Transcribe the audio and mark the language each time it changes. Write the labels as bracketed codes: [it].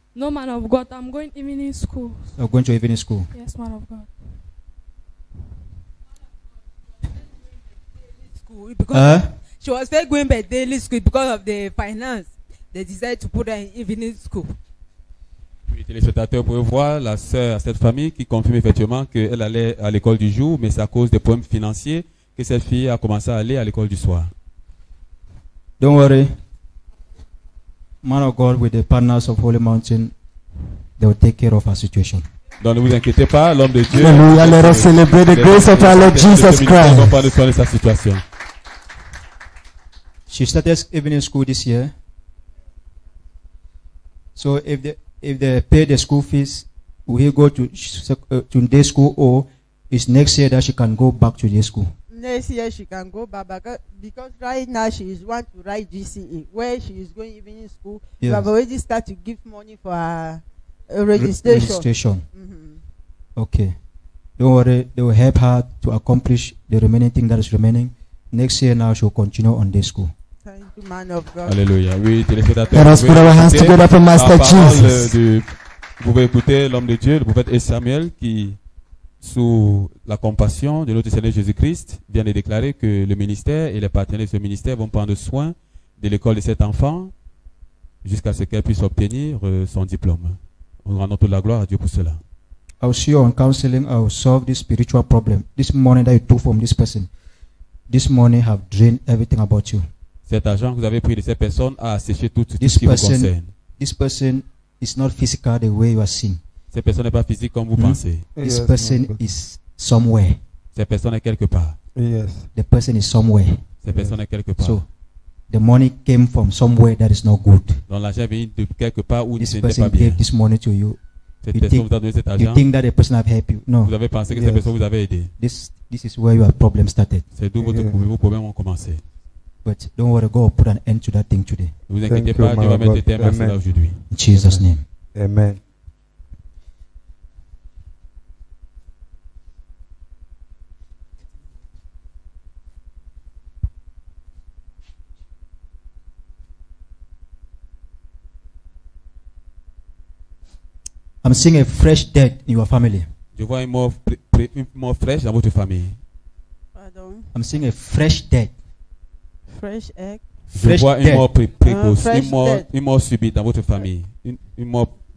[en] No, man of God, I'm going evening school. You're going to evening school? Yes, man of God. She was still going by daily school because of the finance. They decided to put her in evening school. [fr] Les téléspectateurs pouvaient voir la sœur à cette famille qui confirme effectivement qu'elle allait à l'école du jour, mais c'est à cause des problèmes financiers que cette fille a commencé à aller à l'école du soir. [en] Don't worry. Man of God with the partners of Holy Mountain, they will take care of our situation. [fr] Donc ne vous inquiétez pas, l'homme de Dieu. [en] Alléluia, let us celebrate the grace of our Lord Jesus Christ. [fr] Nous allons parler de sa situation. [en] She started evening school this year. So if they pay the school fees, will he go to day school, or is next year that she can go back to day school? Next year she can go back because right now she is want to write GCE where she is going evening school. Yes. We have already started to give money for her registration. Registration. Mm-hmm. Okay. Don't worry. They will help her to accomplish the remaining thing that is remaining. Next year now she will continue on day school. Hallelujah. [fr] Oui, téléspectateurs. [en] Let us put our hands together for Master Jesus. [fr] Vous pouvez écouter l'homme de Dieu, le prophète Samuel, qui, sous la compassion de notre Seigneur Jésus-Christ, vient de déclarer que le ministère et les partenaires de ce ministère vont prendre soin de l'école de cet enfant jusqu'à ce qu'elle puisse obtenir son diplôme. Nous rendons toute la gloire à Dieu pour cela. [en] I'll see you on counseling. I'll solve this spiritual problem. This money that you took from this person, this money have drained everything about you. [fr] Cet argent que vous avez pris de cette personne a asséché tout ce qui vous concerne. [en] This person is not physical the way you are seen. [fr] Cette personne n'est pas physique comme vous pensez. [en] This person is somewhere. [fr] Cette personne est quelque part. [en] Yes. The person is somewhere. [fr] Cette personne est quelque part. [en] So, the money came from somewhere that is not good. [fr] Donc l'argent vient de quelque part où [en] this [fr] ce n'est pas bien. [en] This person gave this money to you. [fr] Cette personne vous a donné cet argent. [en] You think that the person have helped you? No. [fr] Vous avez pensé que cette personne vous avait aidé. [en] This is where your problem started. [fr] C'est d'où vos problèmes ont commencé. [en] But don't worry, God will put an end to that thing today. [fr] Vous inquiétez pas, Dieu va mettre un terme à cela aujourd'hui. [en] In Jesus' name. Amen. I'm seeing a fresh death in your family. [fr] Je vois une mort fraîche dans votre famille. Pardon. [en] I'm seeing a fresh death. Fresh egg. [fr] Je vois une mort précoce, une mort subite dans votre famille, une mort.